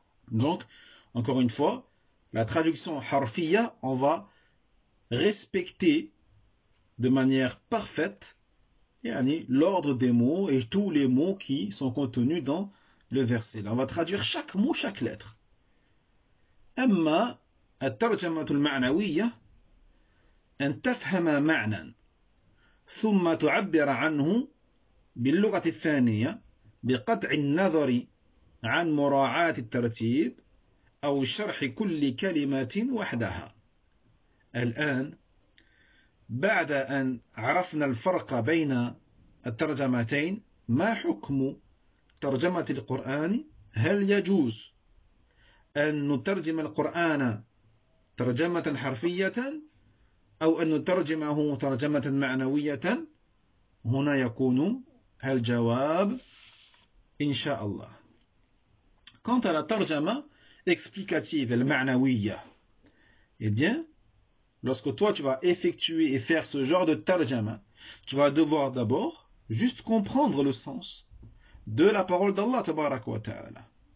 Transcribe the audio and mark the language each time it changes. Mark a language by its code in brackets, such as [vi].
[fr] Donc, encore une fois, la traduction harfiya, on va respecter de manière parfaite yani, l'ordre des mots et tous les mots qui sont contenus dans le verset. Là, on va traduire chaque mot, chaque lettre. [ar] Amma at-tarjamatul ma'nawiyya an tafhama ma'nan thumma tu'abbira anhu باللغة الثانية بقطع النظر عن مراعاة الترتيب أو شرح كل كلمة وحدها. الآن بعد أن عرفنا الفرق بين الترجمتين، ما حكم ترجمة القرآن؟ هل يجوز أن نترجم القرآن ترجمة حرفية أو أن نترجمه ترجمة معنوية؟ هنا يكون الجواب إن شاء الله. [fr] Quant à la tarjama explicative, le ma'nawiya, eh bien, lorsque toi tu vas effectuer et faire ce genre de tarjama, tu vas devoir d'abord juste comprendre le sens de la parole d'Allah tabaraka wa ta'ala.